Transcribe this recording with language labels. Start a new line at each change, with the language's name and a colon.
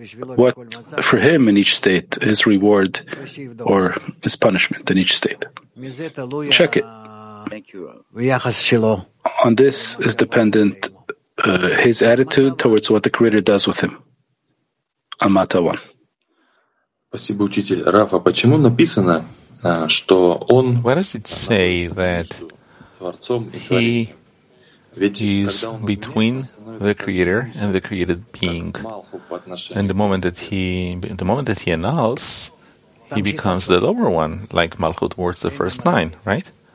English: What for him in each state is reward or is punishment in each state? Check it. Thank you. On this is dependent his attitude towards what the Creator does with him. Amata 1.
Russian: Спасибо, учитель. Раф, а почему написано, что он...
English: Where does it say that he is between the Creator and the created being? And the moment that he annuls, he becomes the lower one, like Malchut towards the first nine, right?